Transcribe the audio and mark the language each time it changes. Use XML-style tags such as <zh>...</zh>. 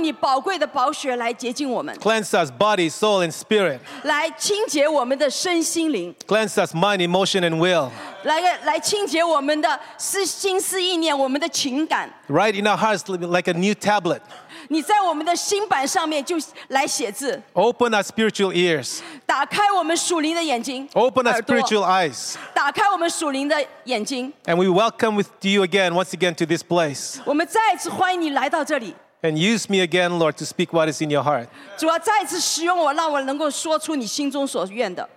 <zh>所以这一次我们再说，神啊，你用你宝贵的宝血来洁净我们。</zh> <en>Cleanse us, body, soul, and spirit.</en> <zh>来清洁我们的身心灵。</zh> <en>Cleanse us, mind, emotion, and will.</en> <zh>来清洁我们的心思意念，我们的情感。</zh> <en>Write in our hearts like a new tablet.</en> <zh>你在我们的心板上面就来写字。</zh> <en>Open our spiritual ears.</en> <zh>打开我们属灵的眼睛。</zh> <en>Open our spiritual eyes.</en> <zh>打开我们属灵的眼睛。</zh> <en>And we welcome with you again, once again to this place.</en> <zh>我们再次欢迎你来到这里。</zh> <en>And use me again, Lord, to speak what is in your heart.</en> <zh>主啊，再次使用我， 让我能够说出你心中所愿的。</zh>